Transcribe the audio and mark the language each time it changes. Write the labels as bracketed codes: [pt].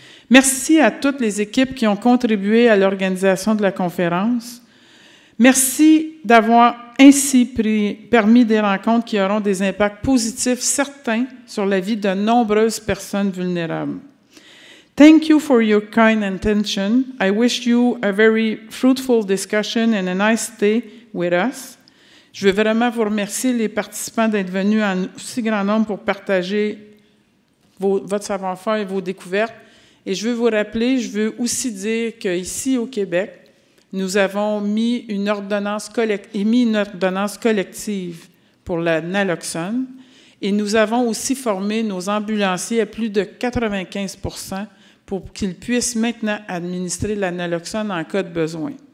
[fr] Merci à toutes les équipes qui ont contribué à l'organisation de la conférence. Merci d'avoir ainsi permis des rencontres qui auront des impacts positifs certains sur la vie de nombreuses personnes vulnérables. [en] Thank you for your kind intention. I wish you a very fruitful discussion and a nice day with us. [fr] Je veux vraiment vous remercier les participants d'être venus en aussi grand nombre pour partager votre savoir-faire et vos découvertes. Et je veux vous rappeler, je veux aussi dire qu'ici au Québec, nous avons émis une ordonnance collective pour la naloxone et nous avons aussi formé nos ambulanciers à plus de 95% pour qu'ils puissent maintenant administrer la naloxone en cas de besoin.